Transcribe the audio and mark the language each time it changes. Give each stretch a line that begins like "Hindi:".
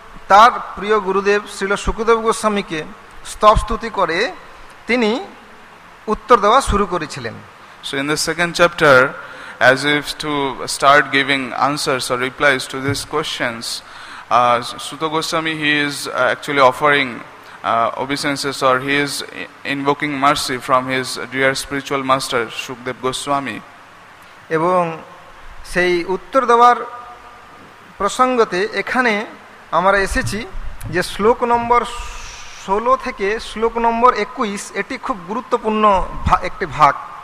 Bangla: তার প্রিয় গুরুদেব শ্রীল সুখদেব গোস্বামীকে স্তবস্তুতি করে তিনি উত্তর দেওয়া শুরু করেছিলেন।
English: So in the second chapter, as if to start giving answers or replies to these questions, Suta Goswami, he is actually offering obeisances, or he is invoking mercy from his dear spiritual master Sukhdev Goswami.
Bangla: এবং সেই উত্তর দেওয়ার প্রসঙ্গতে এখানে আমরা এসেছি যে শ্লোক নম্বর 16 থেকে শ্লোক নম্বর 21 এটি খুব গুরুত্বপূর্ণ একটি ভাগ।